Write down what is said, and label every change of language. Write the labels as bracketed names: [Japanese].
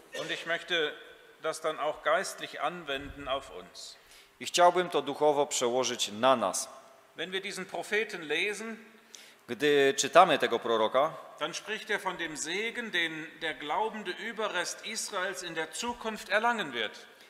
[German] Und ich möchte das dann auch geistlich anwenden auf uns. [Polish] I chciałbym to duchowo przełożyć na nas. [German] Wenn wir diesen Propheten lesen, [Polish] gdy czytamy tego proroka, [German] dann spricht er von dem Segen, den der glaubende Überrest Israels in der Zukunft erlangen wird.